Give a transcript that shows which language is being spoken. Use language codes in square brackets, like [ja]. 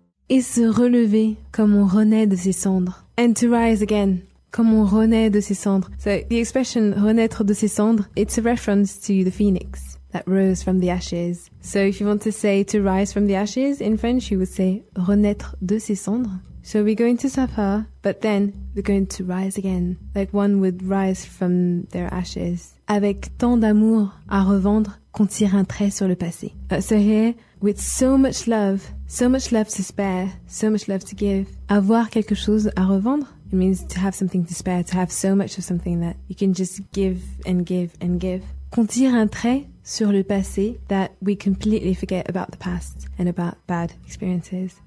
[fr] Et se relever comme on renaît de ses cendres. [en] And to rise again, [fr] comme on renaît de ses cendres. [en] So the expression [fr] renaître de ses cendres, [en] it's a reference to the phoenix. that rose from the ashes. So if you want to say to rise from the ashes in French, you would say [fr] renaître de ses cendres. [en] So we're going to suffer, but then we're going to rise again, like one would rise from their ashes. [fr] Avec tant d'amour à revendre qu'on tire un trait sur le passé. [en] So here, with so much love to spare, so much love to give, [fr] avoir quelque chose à revendre, [en] it means to have something to spare, to have so much of something that you can just give and give and give. [fr] Qu'on tire un trait sur le passé, [en] that we completely forget about the past and about bad experiences.